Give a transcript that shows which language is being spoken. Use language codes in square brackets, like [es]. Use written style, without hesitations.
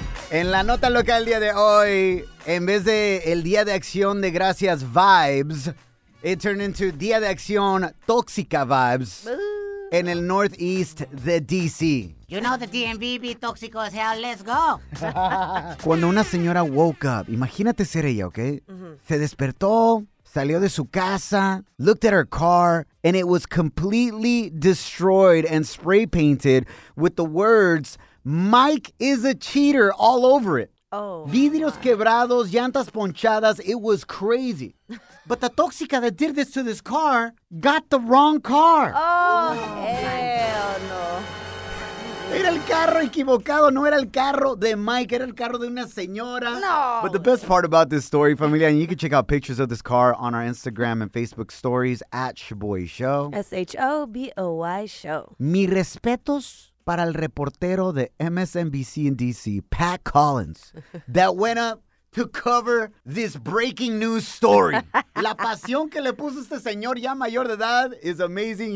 [es] En la nota loca del día de hoy, en vez de el Día de Acción de Gracias vibes, it turned into Día de Acción Tóxica vibes. En el Northeast de D.C. [en] You know the DMV be tóxico as hell, let's go. [es] Cuando una señora woke up, imagínate ser ella, ¿ok? Mm-hmm. [en] Se despertó, salió de su casa, looked at her car, and it was completely destroyed and spray painted with the words, Mike is a cheater all over it. Oh, [es] vidrios quebrados, llantas ponchadas, it was crazy. [en] But the tóxica that did this to this car got the wrong car. Oh, hell no. [es] Era el carro equivocado, no era el carro de Mike, era el carro de una señora. No. [en] But the best part about this story, familia, and you can check out pictures of this car on our Instagram and Facebook stories at Shaboy Show. Shaboy Show. Mi respetos para el reportero de MSNBC in DC, Pat Collins, that went up to cover this breaking news story. [es] La pasión que le puso este señor ya mayor de edad is amazing.